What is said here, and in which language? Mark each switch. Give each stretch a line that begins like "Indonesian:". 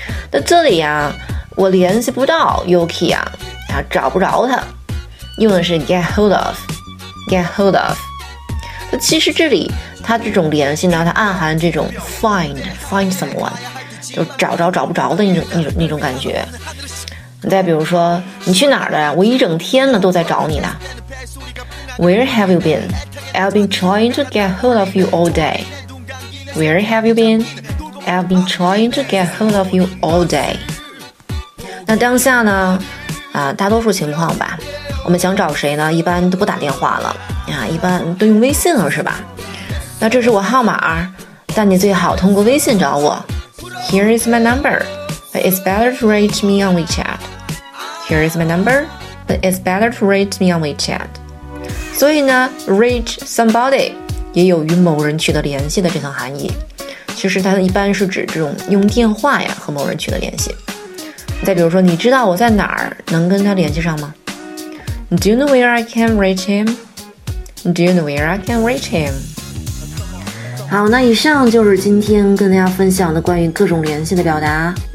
Chinese: 那这里呀，我联系不到 Yuki 啊，啊找不着他，用的是 get hold of, get hold of。那其实这里他这种联系呢，它暗含这种 find someone。就找不着的那种感觉。你再比如说，你去哪儿了呀？我一整天呢都在找你呢。
English: Where have you been? I've been trying to get hold of you all day. Where have you been? I've been trying to get hold of you all day.
Chinese: 那当下呢？啊，大多数情况吧，我们想找谁呢？一般都不打电话了啊，一般都用微信了，是吧？那这是我号码，但你最好通过微信找我。
English: Here is my number, but it's better to reach me on WeChat. Here is my number, but it's better to reach me on WeChat.
Chinese: 所以呢 ，reach somebody 也有与某人取得联系的这层含义。其实它一般是指这种用电话呀和某人取得联系。再比如说，你知道我在哪儿能跟他联系上吗 ？
English: Do you know where I can reach him? Do you know where I can reach him?
Chinese: 好，那以上就是今天跟大家分享的关于各种联系的表达。